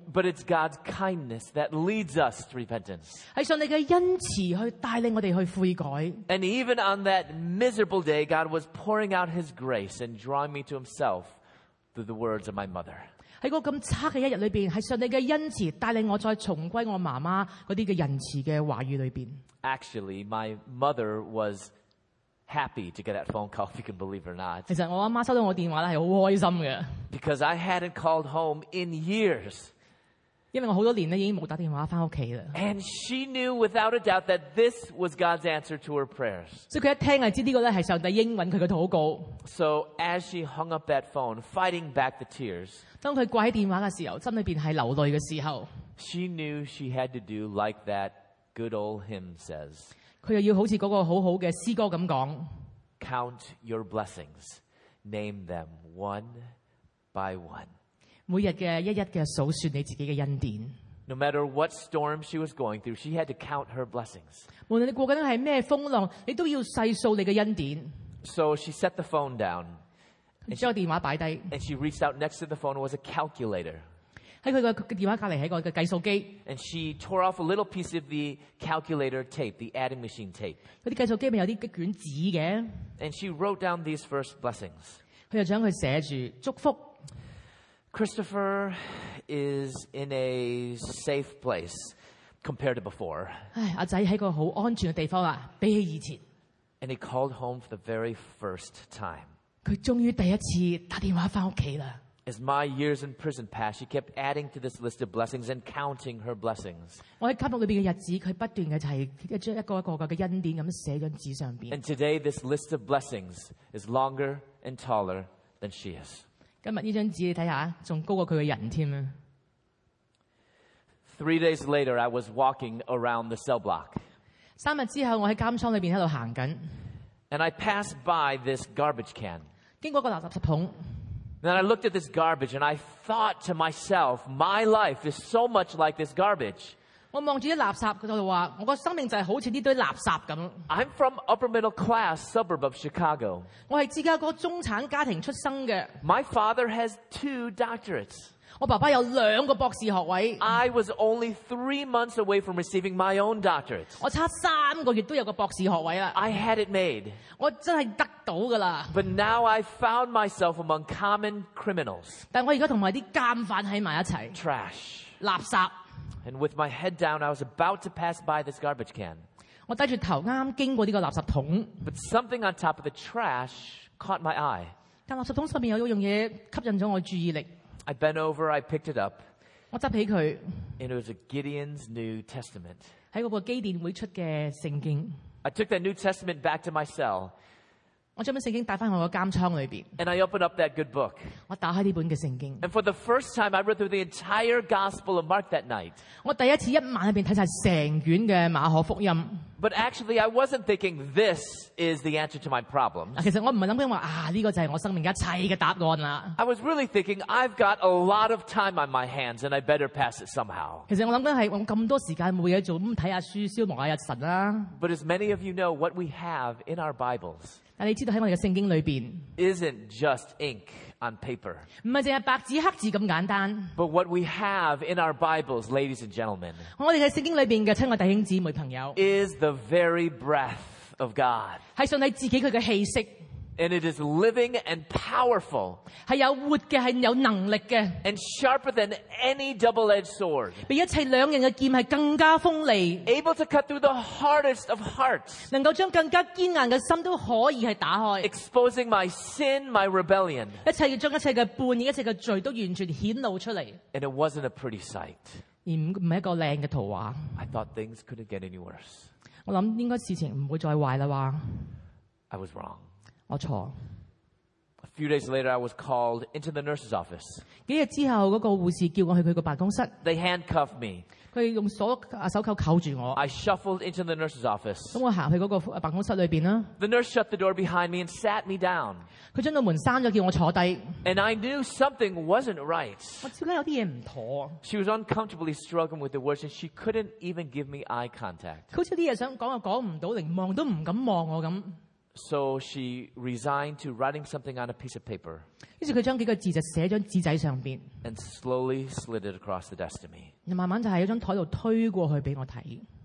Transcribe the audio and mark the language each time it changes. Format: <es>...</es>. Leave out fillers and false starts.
<en>But it's God's kindness that leads us to repentance。</en> <yue>系上帝嘅恩慈去带领我哋去悔改。</yue> <en>And even on that miserable day, God was pouring out His grace and drawing me to Himself. Through the words of my mother.</en> <yue>喺嗰咁差嘅一日里边，系上帝嘅恩慈带领我再重归我妈妈嗰啲嘅仁慈嘅话语里边。</yue> <en>Actually, my mother was happy to get that phone call, if you can believe it or not.</en> <yue>其实我阿妈收到我电话咧，系好开心嘅。</yue> <en>Because I hadn't called home in years.</en> <yue>因为我好多年咧已经冇打电话翻屋企啦。</yue> <en>And she knew without a doubt that this was God's answer to her prayers.</en> <yue>所以佢一听就知呢个咧系上帝应允佢嘅祷告。</yue> <en>So as she hung up that phone, fighting back the tears.</en> <yue>当佢挂起电话嘅时候，心里边系流泪嘅时候。</yue> <en>She knew she had to do like that good old hymn says.</en> <yue>佢又要好似嗰个好好嘅诗歌咁讲。</yue> <en>Count your blessings, name them one by one.</en> <yue>每日嘅一日嘅数算你自己嘅恩典。</yue> <en>No matter what storm she was going through, she had to count her blessings.</en> <yue>无论你过紧系咩风浪，你都要细数你嘅恩典。</yue> <en>So she set the phone down.</en> <yue>将个电话摆低。</yue> <en>And she reached out next to the phone was a calculator.</en> <yue>喺佢个电话隔篱系一个计数机。</yue> <en>And she tore off a little piece of the calculator tape, the adding machine tape.</en> <yue>嗰啲计数机咪有啲卷纸嘅。</yue> <en>And she wrote down these first blessings.</en> <yue>佢就将佢写住祝福。</yue> <en>Christopher is in a safe place compared to before.</en> <yue>阿仔喺个好安全嘅地方啊，比起以前。</yue> <en>And he called home for the very first time.</en> <yue>佢终于第一次打电话翻屋企啦。</yue> <en>As my years in prison passed, she kept adding to this list of blessings and counting her blessings.</en> <yue>我喺監獄裏邊嘅日子，佢不斷嘅就係將一個一個嘅恩典咁寫喺紙上邊。</yue> <en>And today, this list of blessings is longer and taller than she is.</en> <yue>今日呢張紙你睇下，仲高過佢嘅人添啊！</yue> <en>3 days later, I was walking around the cell block.</en> <yue>3日之後，我喺監倉裏邊喺度行緊。</yue> <en>And I passed by this garbage can.</en> <yue>經過個垃圾桶。</yue> <en>Then I looked at this garbage and I thought to myself, my life is so much like this garbage.</en> <yue>我望住啲垃圾，佢就话：我个生命就系好似呢堆垃圾咁。</yue> <en>I'm from upper middle class suburb of Chicago.</en> <yue>我系芝加哥中产家庭出生嘅。</yue> <en>My father has 2 doctorates.</en> <yue>我爸爸有两个博士学位。</yue> <en>I was only 3 months away from receiving my own doctorate.</en> <yue>我差3个月都有个博士学位啦。</yue> <en>I had it made.</en> <yue>我真系得。</yue> <en>But now I found myself among common criminals.</en> <yue>但我而家同埋啲奸犯喺埋一齐。</yue> <en>Trash.</en> <yue>垃圾。</yue> <en>And with my head down, I was about to pass by this garbage can.</en> <yue>我低住头啱经过呢个垃圾桶。</yue> <en>But something on top of the trash caught my eye.</en> <yue>但垃圾桶上面有一样嘢吸引咗我注意力。</yue> <en>I bent over, I picked it up.</en> <yue>我执起佢。</yue> <en>And it was a Gideon's New Testament.</en> <yue>喺嗰个基甸会出嘅圣经。</yue> <en>I took that New Testament back to my cell.</en> <yue>我将本圣经带翻我个监仓里边。</yue> <en>And I opened up that good book.</en> <yue>我打开呢本嘅圣经。</yue> <en>And for the first time, I read through the entire Gospel of Mark that night.</en> <yue>我第一次一晚里边睇晒成卷嘅马可福音。</yue> <en>But actually, I wasn't thinking this is the answer to my problems.</en> <yue>其实我唔系谂紧话啊，呢个就系我生命一切嘅答案啦。</yue> <en>I was really thinking I've got a lot of time on my hands, and I better pass it somehow.</en> <yue>其实我谂紧系我咁多时间冇嘢做，咁睇下书消磨下日神啦。</yue> <en>But as many of you know, what we have in our Bibles.</en> <yue>但你知道喺我哋嘅圣经里边</yue> <en>，isn't just ink on paper，</en> <yue>唔系净系白纸黑字咁简单。</yue> <en>But what we have in our Bibles, ladies and gentlemen，</en> <yue>我哋嘅圣经里边嘅亲爱弟兄姊妹朋友</yue> <en>，is the very breath of God，</en> <yue>系上帝自己佢嘅气息。</yue> <en>And it is living and powerful，</en> <yue>系有活嘅，系有能力嘅。</yue> <en>And sharper than any double-edged sword，</en> <yue>比一切两刃嘅剑系更加锋利。</yue> <en>Able to cut through the hardest of hearts，</en> <yue>能够将更加坚硬嘅心都可以系打开。</yue> <en>Exposing my sin, my rebellion，</en> <yue>一切要将一切嘅叛逆、一切嘅罪都完全显露出嚟。</yue> <en>And it wasn't a pretty sight，</en> <yue>而唔系一个靓嘅图画。</yue> <en>I thought things couldn't get any worse，</en> <yue>我谂应该事情唔会再坏啦话。</yue> <en>I was wrong。</en> <yue>我错。</yue> <en>A few days later, I was called into the nurse's office.</en> <yue>几日之后，那个护士叫我去佢个办公室。</yue> <en>They handcuffed me.</en> <yue>佢用手铐扣住我。</yue> <en>I shuffled into the nurse's office.</en> <yue>咁我行去嗰个办公室里边啦。</yue> <en>The nurse shut the door behind me and sat me down.</en> <yue>佢将个门闩咗，叫我坐低。</yue> <en>And I knew something wasn't right.</en> <yue>我知道有啲嘢唔妥。</yue> <en>She was uncomfortably struggling with the words, and she couldn't even give me eye contact.</en> <yue>好似啲嘢想讲又讲唔到，连望都唔敢望我咁。</yue> <en>So she resigned to writing something on a piece of paper.</en> <yue>于是佢将几个字就写喺张纸仔上边。</yue> <en>And slowly slid it across the desk to me.</en> <yue>又慢慢就喺张台度推过去俾我睇。</yue>